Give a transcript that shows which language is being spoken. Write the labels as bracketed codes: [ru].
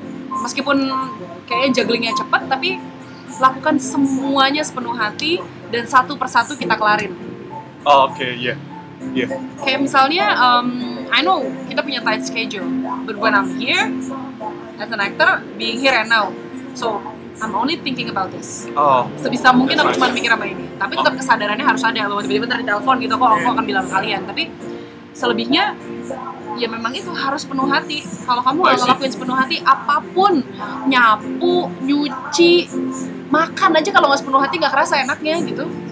[id] Meskipun kayaknya jugglingnya cepat, tapi lakukan semuanya sepenuh hati dan satu persatu kita kelarin. [en] Oh, okay, yeah. [id] Kayak misalnya, [en] I know [id] kita punya [en] tight schedule, but when I'm here as an actor, being here and now, so I'm only thinking about this. Oh. [id] Sebisa mungkin aku cuma mikir sama ini. Tapi tetap kesadarannya harus ada. Bahwa tiba-tiba ntar di telepon gitu, kok aku akan bilang kalian. Tapi selebihnya, ya memang itu harus penuh hati. Kalau kamu gak ngelakuin sepenuh hati, apapun, nyapu, nyuci, makan aja kalau gak sepenuh hati gak kerasa enaknya gitu.